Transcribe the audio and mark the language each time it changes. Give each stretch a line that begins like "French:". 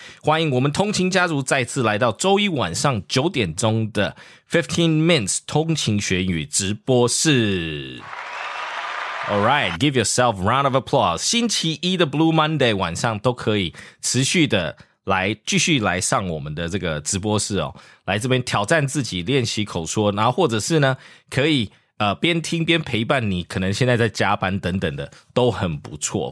Chinese: 欢迎我们通勤家族再次来到周一晚上九点钟的 15 Minutes 通勤学语直播室。
English: All right, give yourself a round of applause.
Chinese: 星期一的 Blue Monday 晚上都可以持续的来继续来上我们的这个直播室哦，来这边挑战自己练习口说，然后或者是呢可以边听边陪伴你，可能现在在加班等等的都很不错。